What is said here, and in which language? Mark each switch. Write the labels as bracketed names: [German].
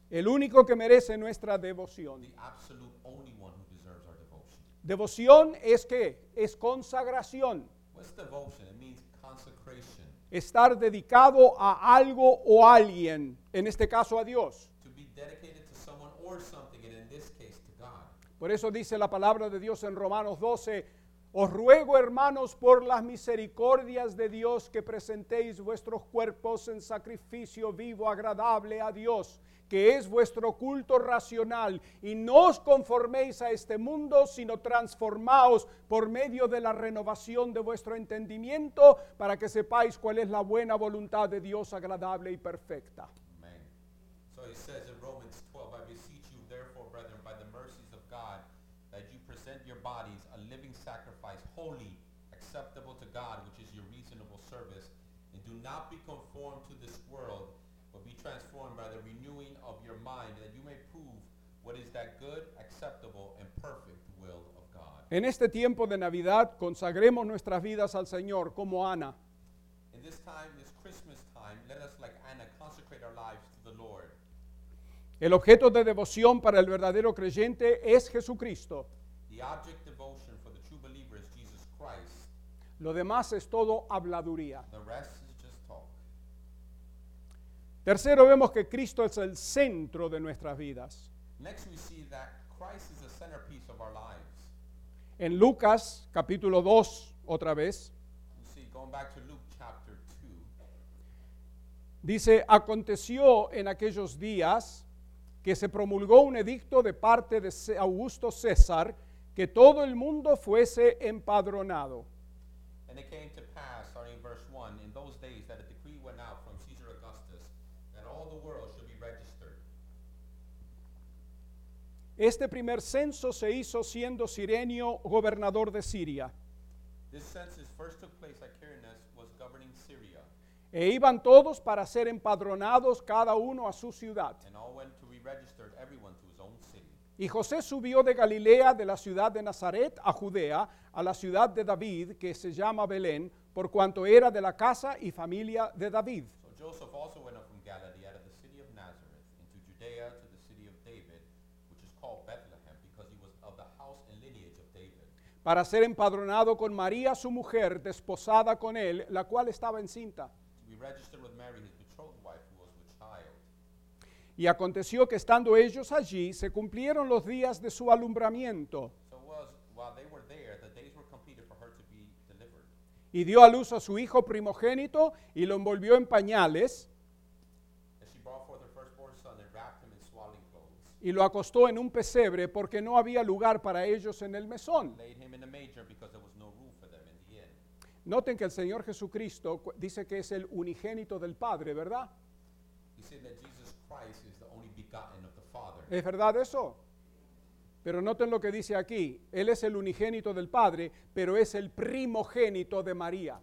[Spanish] El único que merece nuestra devoción. [English] The absolute only one who deserves our devotion. [Spanish] Devoción es ¿qué? Es consagración. [English] What's devotion? It means consecration. [Spanish] Estar dedicado a algo o alguien, en este caso a Dios. [English] To be dedicated to someone or something, and in this case to God. [Spanish] Por eso dice la palabra de Dios en Romanos 12, os ruego, hermanos, por las misericordias de Dios, que presentéis vuestros cuerpos en sacrificio vivo, agradable a Dios, que es vuestro culto racional, y no os conforméis a este mundo, sino transformaos por medio de la renovación de vuestro entendimiento, para que sepáis cuál es la buena voluntad de Dios, agradable y perfecta. [English] Amen. So he says in Romans 12, I beseech you therefore, brethren, by the mercies of God, that you present your bodies a living sacrifice, holy, acceptable to God, which is your reasonable service, and do not be conformed to this world, but be transformed by the renewing of your mind, that you may prove what is that good, acceptable, and perfect will of God. [Spanish] En este tiempo de Navidad, consagremos nuestras vidas al Señor como Ana. [English] In this time, this Christmas time, let us, like Anna, consecrate our lives to the Lord. [Spanish] El objeto de devoción para el verdadero creyente es Jesucristo. [English] The object devotion for the true believer is Jesus Christ. [Spanish] Lo demás es todo habladuría. [English] The rest is just talk. [Spanish] Tercero, vemos que Cristo es el centro de nuestras vidas. [English] Next we see that Christ is the centerpiece of our lives. [Spanish] En Lucas, capítulo 2, otra vez. [English] You see, going back to Luke chapter 2. [Spanish] Dice, aconteció en aquellos días que se promulgó un edicto de parte de Augusto César, que todo el mundo fuese empadronado. [English] And it came to pass, starting in verse 1, in those days that a decree went out from Caesar Augustus, that all the world should be registered. [Spanish] Este primer censo se hizo siendo Cirenio gobernador de Siria. [English] This census first took place at Quirinus, was governing Syria. [Spanish] E iban todos para ser empadronados cada uno a su ciudad. [English] And all went to be registered, everyone to his own city. [Spanish] Y José subió de Galilea, de la ciudad de Nazaret, a Judea, a la ciudad de David, que se llama Belén, por cuanto era de la casa y familia de David. [English] So Joseph also went up from Galilee, out of the city of Nazareth, into Judea, to the city of David, which is called Bethlehem, because he was of the house and lineage of David. [Spanish] Para ser empadronado con María, su mujer, desposada con él, la cual estaba encinta. [English] To be registered with Mary, his betrothed wife, who was with child. [Spanish] Y aconteció que estando ellos allí, se cumplieron los días de su alumbramiento. [English] So was, while they were there, the days were completed for her to be delivered. [Spanish] Y dio a luz a su hijo primogénito y lo envolvió en pañales. [English] And she brought forth her firstborn son and wrapped him in swaddling clothes. [Spanish] Y lo acostó en un pesebre porque no había lugar para ellos en el mesón. [English] Laid him in a manger because there was no room for them in the inn. [Spanish] Noten que el Señor Jesucristo dice que es el unigénito del Padre, ¿verdad? [English] He said that Jesus Christ is the only begotten of the Father. [Spanish] ¿Es verdad eso? Pero noten lo que dice aquí. Él es el unigénito del Padre, pero es el primogénito de María.